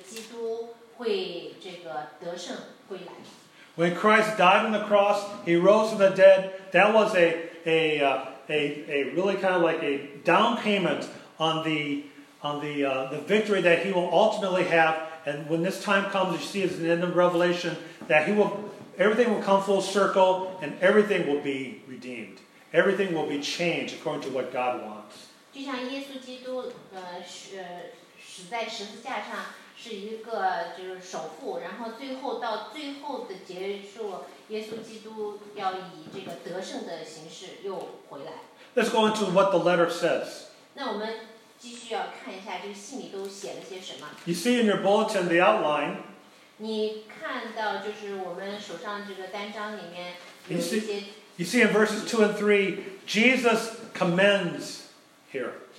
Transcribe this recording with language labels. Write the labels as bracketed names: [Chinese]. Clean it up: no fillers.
[Chinese] 所以这个呢，也是后面21章、22章所讲到的这个意象的一个预兆，因为最后这个基督会这个得胜，会来。 [English] When Christ died on the cross, he rose from the dead. That was a really kind of like a down payment on the victory that he will ultimately have. And when this time comes, you see at the end of Revelation that he will, everything will come full circle and everything will be redeemed. Everything will be changed according to what God wants. [Chinese] 就像耶稣基督死在十字架上是一个就是首富，然后最后到最后的结束，耶稣基督要以这个得胜的形式又回来。 [English] Let's go into what the letter says. [Chinese] 那我们继续要看一下这个信里都写了些什么。 [English] You see in your bulletin the outline. [Chinese] 你看到就是我们手上这个单章里面有一些。 [English] You see in verses 2 and 3, Jesus commends here.